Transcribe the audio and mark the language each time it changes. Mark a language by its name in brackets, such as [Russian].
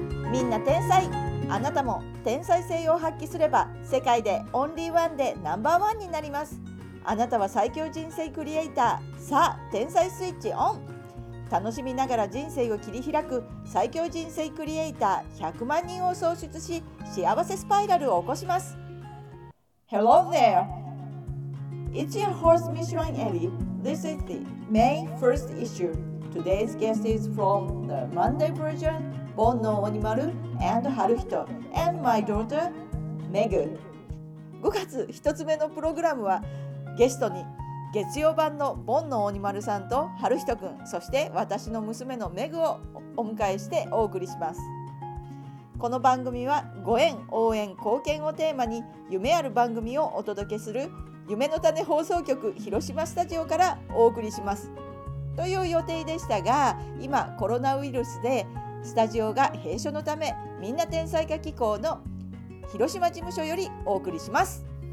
[Japanese] みんな天才、あなたも天才性を発揮すれば世界でオンリーワンでナンバーワンになります。あなたは最強人生クリエイター。さあ天才スイッチオン。楽しみながら人生を切り開く最強人生クリエイター100万人を創出し、幸せスパイラルを起こします。 [English] Hello there! It's your host Michelin Eddie. This is the May 1st issue. Today's guest is from the Monday version, Bon no Onimaru and Haruhito, and my daughter, Megu. [Japanese] 5月一つ目のプログラムはゲストに月曜版のボンの鬼丸さんと春人くん、そして私の娘のメグをお迎えしてお送りします。この番組はご縁応援貢献をテーマに夢ある番組をお届けする夢の種放送局広島スタジオからお送りしますという予定でしたが、今コロナウイルスでスタジオが閉所のため、みんな天才化機構の広島事務所よりお送りします。